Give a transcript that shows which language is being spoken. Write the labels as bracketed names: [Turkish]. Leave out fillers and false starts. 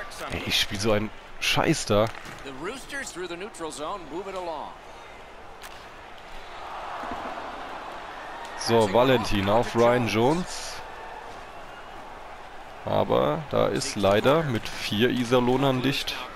[German] Ey, ich spiel so einen Scheiß da. [English] The Roosters through the neutral zone, move it along. [German] So, Valentin auf Ryan Jones. Aber da ist leider mit 4 Iserlohnern dicht.